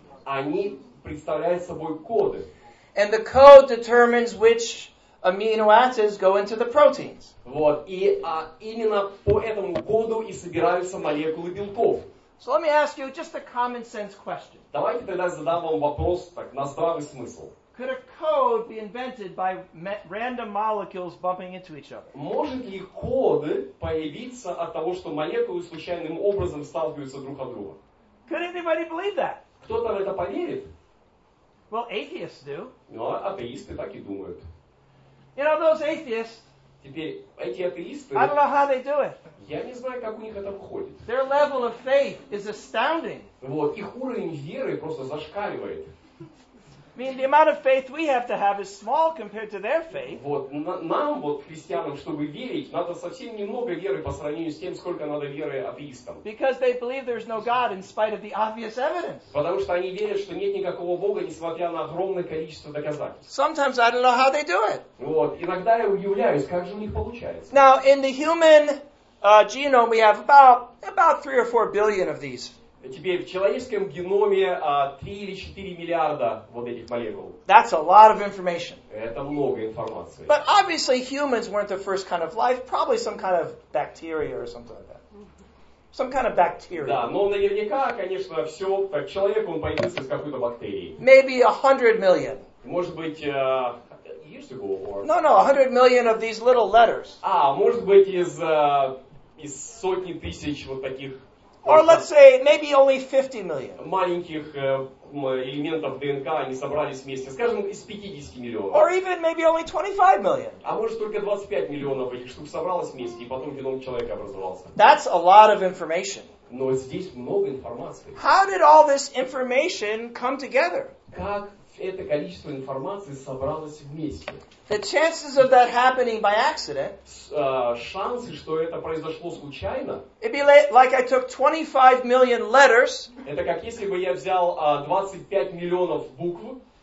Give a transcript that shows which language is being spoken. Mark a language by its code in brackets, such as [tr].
[ru] Они представляют собой коды. [en] And the code determines which amino acids go into the proteins. [ru] Вот, и именно по этому коду и собираются молекулы белков. [en] So let me ask you just a common sense question. [ru] Давайте тогда задам вам вопрос так, на здравый смысл. [en] Could a code be invented by random molecules bumping into each other? [ru] Может ли код появиться от того, что молекулы случайным образом сталкиваются друг о друга? [en] Could anybody believe that? [ru] Кто-то в это поверит? [en] Well, atheists do. [ru] Ну, атеисты так и думают. [en] You know those atheists? [ru] Теперь эти атеисты. [en] I don't know how they do it. [ru] Я не знаю, как у них это выходит. [en] Their level of faith is astounding. [ru] Вот, их уровень веры просто зашкаливает. [en] I mean, the amount of faith we have is small compared to their faith. [ru] Вот, нам, вот, христианам, чтобы верить, надо совсем немного веры по сравнению с тем, сколько надо веры атеистам. [en] Because they believe there's no God in spite of the obvious evidence. [ru] Потому что они верят, что нет никакого Бога, несмотря на огромное количество доказательств. [en] Sometimes I don't know how they do it. [ru] Вот, иногда я удивляюсь, как же у них получается. [en] Now, in the human genome, we have about 3 or 4 billion of these. [ru] Теперь в человеческом геноме 3 или 4 миллиарда вот этих молекул. [en] That's a lot of information. [ru] Это много информации. [en] But obviously humans weren't the first kind of life, probably some kind of bacteria or something like that. Some kind of bacteria. [ru] Да, но наверняка, конечно, все, так человек, он появился с какой-то бактерией. [en] Maybe 100 million. [ru] Может быть, [en] years ago or... No, 100 million of these little letters. [ru] А, может быть, из сотни тысяч вот таких... [en] Or let's say maybe only 50 million. [ru] Маленьких элементов ДНК они собрались вместе, скажем, из 50 миллионов. [en] Or even maybe only 25 million. [ru] А может только 25 миллионов этих штук собралось вместе и потом геном человека образовался. [en] That's a lot of information. [ru] Но здесь много информации. [en] How did all this information come together? [ru] Как это количество информации собралось вместе? [en] The chances of that happening by accident. [ru] Шансы, что это произошло случайно. [en] It'd be like I took 25 million letters. [ru] Это как если бы я взял 25 миллионов букв.